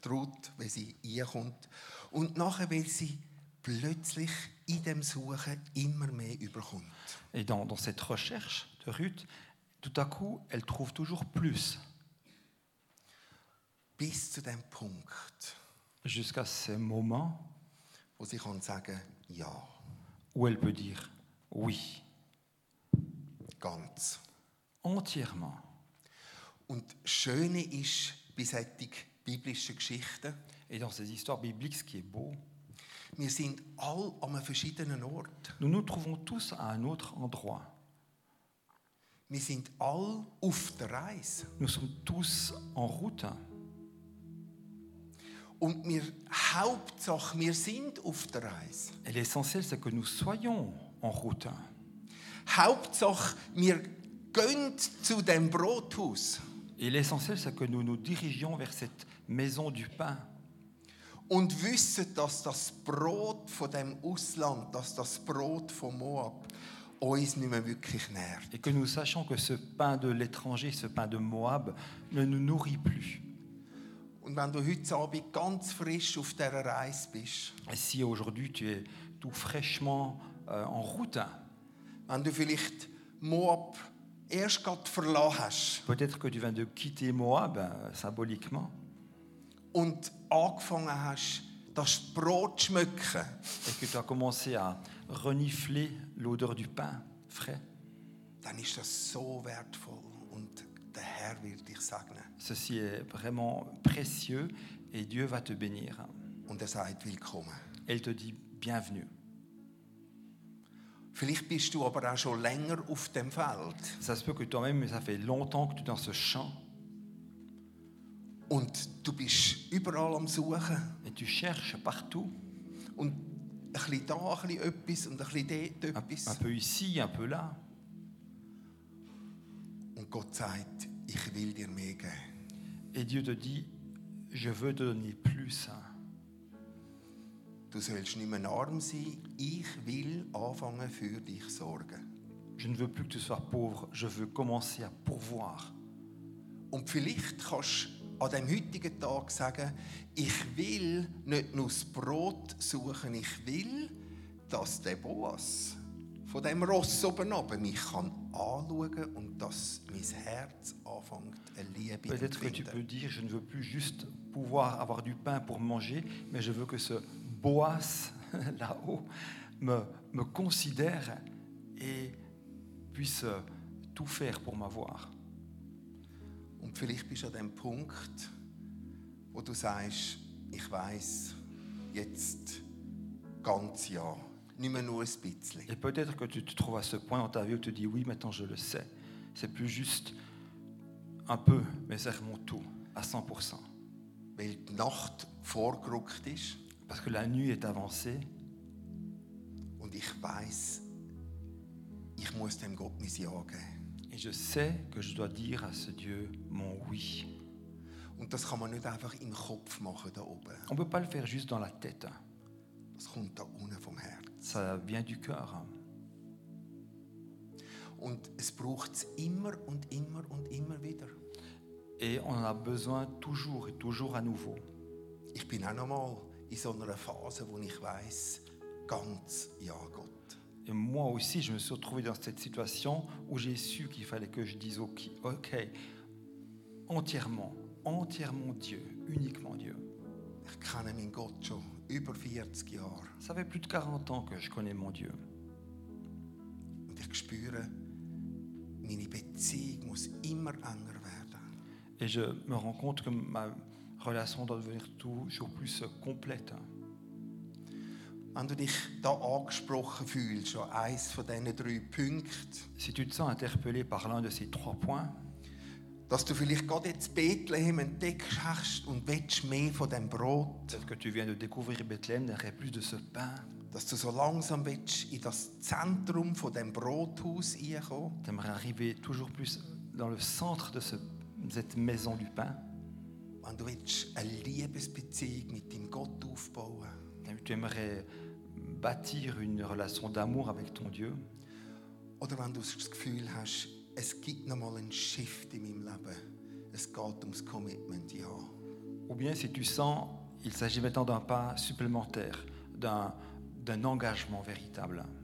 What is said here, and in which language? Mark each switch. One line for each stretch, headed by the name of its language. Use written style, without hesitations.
German: Ruth, wenn sie reinkommt. Und nachher will sie plötzlich in dem Suchen immer mehr überkommt.
French: Et dans, dans cette recherche de Ruth, tout à coup, elle trouve toujours plus.
German: Bis zu dem Punkt.
French: Jusqu'à ce moment.
German: Wo sie kann sagen, ja.
French: Où elle peut dire oui.
German: Ganz.
French: Entièrement.
German: Und das Schöne ist, bei solchen biblischen Geschichten,
French: et dans ces histoires bibliques, ce qui est beau,
German: wir sind all an einem verschiedenen Ort.
French: Nous nous trouvons tous à un autre endroit.
German: Wir sind all auf der Reise.
French: Nous sommes tous en route.
German: Und wir, Hauptsache, wir sind auf der Reise.
French: Et l'essentiel, c'est que nous soyons en route.
German: Hauptsache, wir gehen zu dem Brothaus.
French: Et l'essentiel, c'est que nous nous dirigeons vers cette maison du pain.
German: Und wissen, dass das Brot von dem Ausland, dass das Brot von Moab uns nicht mehr wirklich nährt.
French: Et que nous sachions que ce pain de l'étranger, ce pain de Moab, ne nous nourrit plus.
German: Und wenn du heute Abend ganz frisch auf dieser Reise bist,
French: et si aujourd'hui tu es tout fraîchement en route,
German: wenn du vielleicht Moab erst gerade verlassen hast,
French: peut-être que tu viens de quitter Moab symboliquement,
German: und angefangen hast, das Brot zu schmecken,
French: et que tu as commencé à renifler l'odeur du pain frais,
German: dann ist das so wertvoll. Der Herr wird dich segnen.
French: Ceci est vraiment précieux et Dieu va te bénir.
German: Und er sagt willkommen.
French: Elle te dit bienvenue.
German: Vielleicht bist du aber auch schon länger auf dem Feld.
French: Ça se peut que toi-même, ça fait longtemps que tu es dans ce champ.
German: Und du bist überall am Suchen.
French: Et tu cherches partout.
German: Und ein bisschen da, ein bisschen etwas und ein bisschen dort etwas.
French: Un peu ici, un peu là.
German: Und Gott sagt, ich will dir mehr geben.
French: Et Dieu te dit, je veux te donner plus.
German: Du sollst nicht mehr arm sein, ich will anfangen für dich sorgen.
French: Je ne veux plus que tu sois pauvre, je veux commencer à pourvoir.
German: Und vielleicht kannst du an dem heutigen Tag sagen, ich will nicht nur das Brot suchen, ich will, dass der Boas von dem Ross oben runter mich kann anschauen und dass mein Herz anfängt, eine Liebe zu empfinden.
French: Peut-être que tu peux dire, je ne veux plus juste pouvoir avoir du pain pour manger, mais je veux que ce Boas là-haut me considère et puisse tout faire pour m'avoir.
German: Und vielleicht bist du an dem Punkt, wo du sagst, ich weiss, jetzt ganz ja.
French: Et peut-être que tu te trouves à ce point dans ta vie où tu te dis oui, maintenant je le sais. C'est plus juste un peu, mais c'est mon tout, à 100%.
German: Weil die Nacht vorgerückt ist.
French: Parce que la nuit est avancée.
German: Und ich weiß, ich muss dem Gott mein Ja geben.
French: Et je sais que je dois dire à ce Dieu mon oui.
German: Und das kann man nicht einfach im Kopf machen, da oben.
French: On ne peut pas le faire juste dans la tête.
German: Das kommt da unten vom Herz.
French: Ça vient du cœur.
German: Und es braucht es immer und immer und immer wieder.
French: Et on en a besoin toujours et toujours à nouveau.
German: Ich bin auch nochmal in so einer Phase, wo ich weiss, ganz ja Gott.
French: Et moi aussi, je me suis retrouvé dans cette situation où j'ai su qu'il fallait que je dise ok, entièrement, entièrement Dieu, uniquement Dieu.
German: Ich kenne meinen Gott schon. Über 40 Jahre.
French: Ça fait plus de 40 ans que je connais mon Dieu.
German: Und ich spüre, meine Beziehung muss immer enger werden.
French: Et je me rends compte que ma relation doit devenir toujours plus complète.
German: Wenn du dich da angesprochen fühlst, an eins von diesen drei Punkten,
French: si tu te sens interpellé par l'un de ces trois points,
German: dass du vielleicht gerade jetzt Bethlehem entdeckt hast und willst mehr von dem Brot,
French: que tu viens de découvrir Bethlehem, n'aurait plus de ce pain,
German: dass du so langsam willst in das Zentrum von dem Brothaus einkommen,
French: t'aimerais arriver toujours plus dans le centre de cette maison du pain,
German: wenn du willst eine Liebesbeziehung mit deinem Gott aufbauen,
French: tu aimerais bâtir une relation d'amour avec ton Dieu,
German: oder wenn du das Gefühl hast, es gibt noch mal einen Shift in meinem Leben, es geht ums Commitment, ja.
French: Ou bien si tu sens, il s'agit maintenant d'un pas supplémentaire, d'un engagement véritable.